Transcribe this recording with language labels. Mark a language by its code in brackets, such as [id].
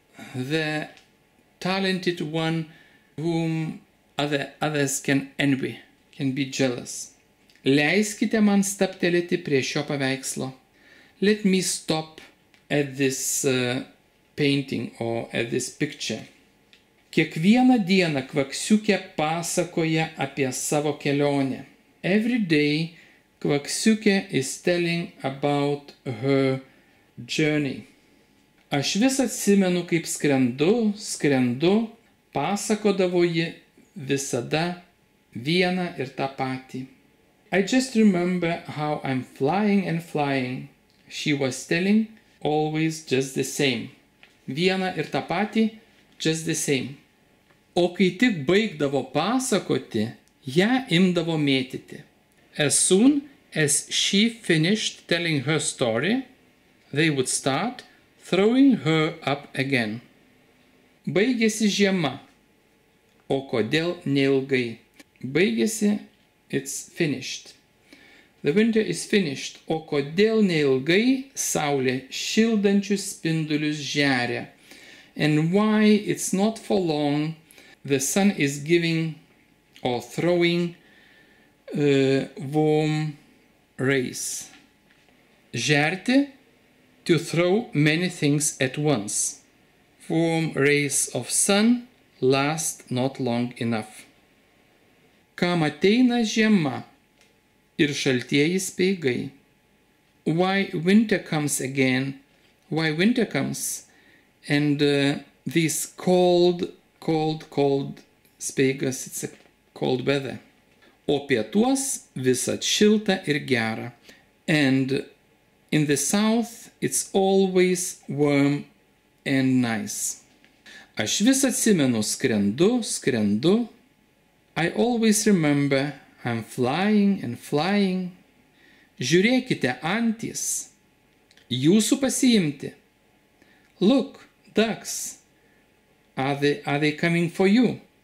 [en] The talented one whom others can envy, can be jealous. [lt] Leiskite man staptelėti prie šio paveikslo. [en] Let me stop at this painting or at this picture. [lt] Kiekvieną dieną kvaksiukė pasakoja apie savo kelionę. [en] Every day kvaksiukė is telling about her journey. [lt] Aš vis atsimenu, kaip skrendu, pasakodavo ji visada vieną ir tą patį. [en] I just remember how I'm flying, she was telling, always just the same. [lt] Vieną ir tą patį, [en] just the same. [lt] O kai tik baigdavo pasakoti, ją imdavo mėtyti. [en] As soon as she finished telling her story, they would start throwing her up again. [lt] Baigėsi žiema. O kodėl neilgai? [en] Baigėsi, it's finished. The winter is finished. [lt] O kodėl neilgai saulė šildančius spindulius žeria? [en] And why it's not for long the sun is giving or throwing warm rays. Žerti, to throw many things at once. Warm rays of sun last not long enough. [lt] Kam ateina žiema ir šaltieji speigai. [en] Why winter comes again? Why winter comes? And this cold speigas, it's a cold weather. [lt] O pietuos visad šilta ir gera. [en] And in the south, it's always warm and nice. [lt] Aš vis atsimenu, skrendu. [en] I always remember, I'm flying. [lt] Žiūrėkite, antys, jūsų pasiimti. [en] Look, ducks, are they coming for you?